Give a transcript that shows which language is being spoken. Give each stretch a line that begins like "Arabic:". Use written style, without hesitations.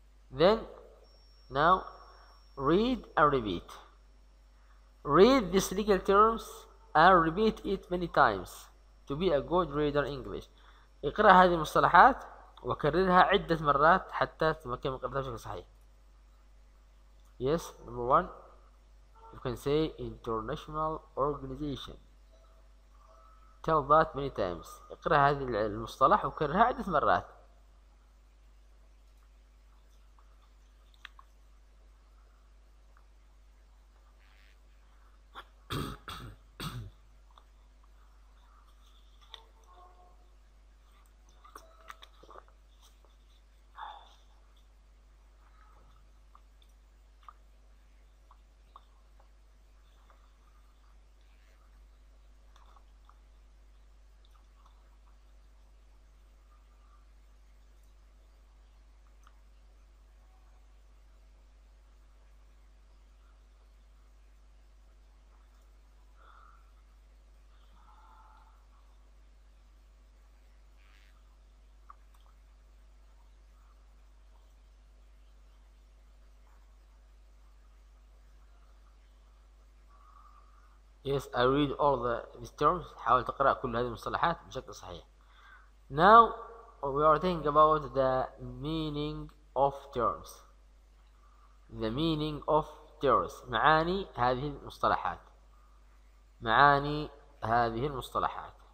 English: Then, now, read and repeat. Read these legal terms and repeat it many times. to be a good reader English.
Arabic: اقرأ هذه المصطلحات وكررها عدة مرات حتى تتمكن من قراءتها بشكل صحيح.
English: Yes, number one, you can say international organization. Tell that many times.
Arabic: اقرأ هذه المصطلح وكررها عدة مرات.
English: Yes, I read all these terms.
Arabic: حاول تقرأ كل هذه المصطلحات بشكل صحيح.
English: Now we are thinking about the meaning of terms. The meaning of terms.
Arabic: معاني هذه المصطلحات. معاني هذه المصطلحات.